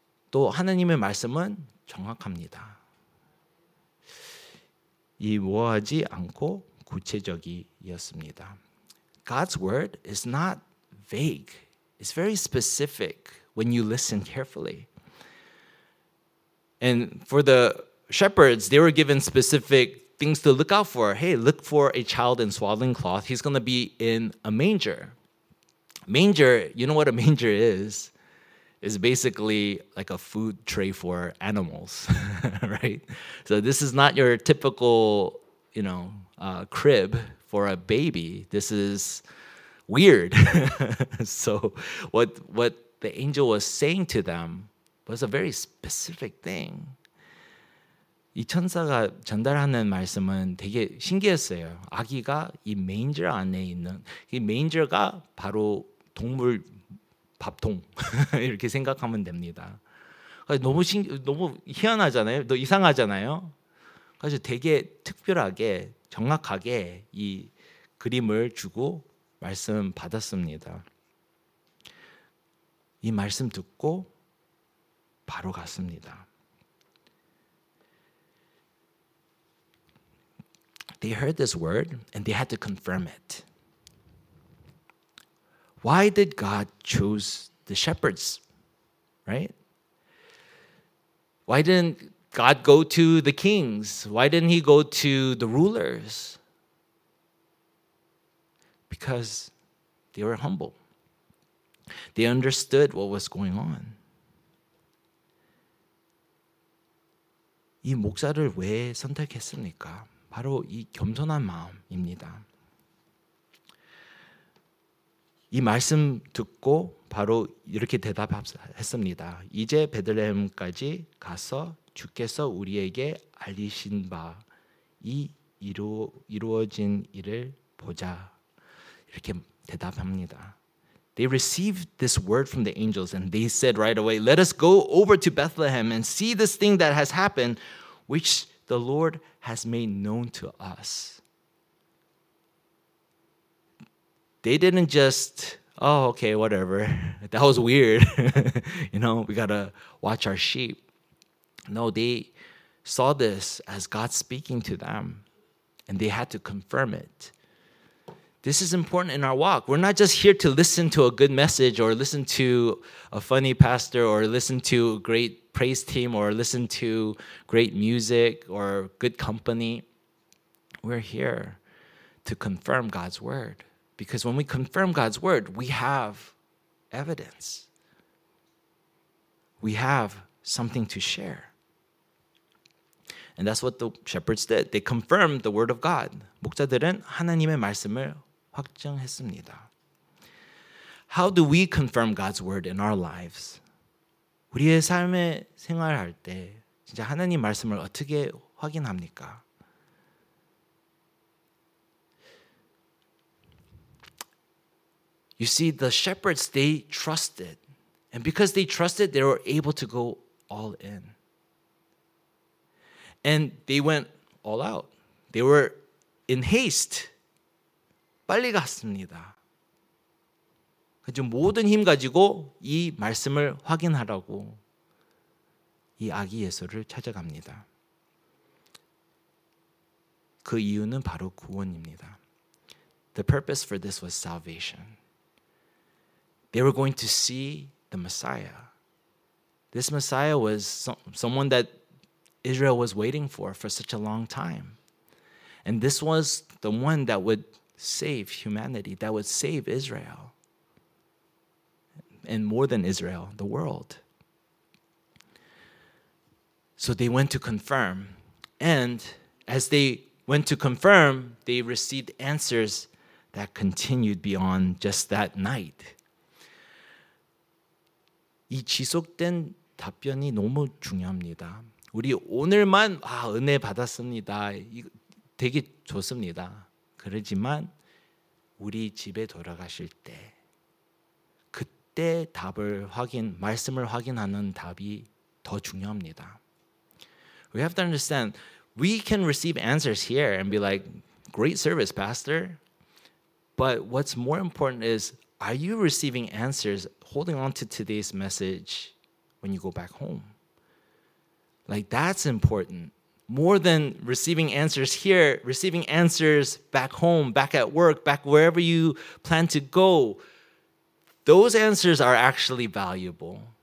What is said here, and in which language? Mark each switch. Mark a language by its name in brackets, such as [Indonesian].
[Korean] 또 하나님의 말씀은 정확합니다. 이 모호하지 않고 구체적이었습니다. [English] God's word is not vague. It's very specific when you listen carefully. And for the shepherds, they were given specific things to look out for. Hey, look for a child in swaddling cloth. He's going to be in a manger. Manger, you know what a manger is? Is basically like a food tray for animals, right? So this is not your typical, you know, crib for a baby. This is weird. So what the angel was saying to them was a very specific thing. [Korean] 이 천사가 전달하는 말씀은 되게 신기했어요. 아기가 이 manger 안에 있는, 이 manger가 바로 동물 밥통 이렇게 생각하면 됩니다. 너무 희한하잖아요. 또 이상하잖아요. 그래서 되게 특별하게 정확하게 이 그림을 주고 말씀 받았습니다. 이 말씀 듣고 바로 갔습니다. [English] They heard this word and they had to confirm it. Why did God choose the shepherds, right? Why didn't God go to the kings? Why didn't he go to the rulers? Because they were humble. They understood what was going on. [Korean] 이 목사를 왜 선택했습니까? 바로 이 겸손한 마음입니다. 이 말씀 듣고 바로 이렇게 대답했습니다. 이제 베들레헴까지 가서 주께서 우리에게 알리신 바 이 이루어진 일을 보자. 이렇게 대답합니다. [English] They received this word from the angels and they said right away, let us go over to Bethlehem and see this thing that has happened which the Lord has made known to us. They didn't just, oh, okay, whatever. That was weird. You know, we gotta watch our sheep. No, they saw this as God speaking to them, and they had to confirm it. This is important in our walk. We're not just here to listen to a good message or listen to a funny pastor or listen to a great praise team or listen to great music or good company. We're here to confirm God's word. Because when we confirm God's word, we have evidence. We have something to share. And that's what the shepherds did. They confirmed the word of God. [Korean] 목자들은 하나님의 말씀을 확증했습니다. [English] How do we confirm God's word in our lives? [Korean] 우리의 삶의 생활할 때 진짜 하나님 말씀을 어떻게 확인합니까? [English] You see, the shepherds, they trusted. And because they trusted, they were able to go all in. And they went all out. They were in haste. [Korean] 빨리 갔습니다. 지금 모든 힘 가지고 이 말씀을 확인하라고 이 아기 예수를 찾아갑니다. 그 이유는 바로 구원입니다. [English] The purpose for this was salvation. They were going to see the Messiah. This Messiah was someone that Israel was waiting for such a long time. And this was the one that would save humanity, that would save Israel. And more than Israel, the world. So they went to confirm. And as they went to confirm, they received answers that continued beyond just that night. [Korean] 이 지속된 답변이 너무 중요합니다. 우리 오늘만 아, 은혜 받았습니다. 되게 좋습니다. 그러지만 우리 집에 돌아가실 때 그때 답을 확인, 말씀을 확인하는 답이 더 중요합니다. [English] We have to understand, we can receive answers here and be like, great service, pastor. But what's more important is, are you receiving answers, holding on to today's message when you go back home? Like, that's important. More than receiving answers here, receiving answers back home, back at work, back wherever you plan to go, those answers are actually valuable.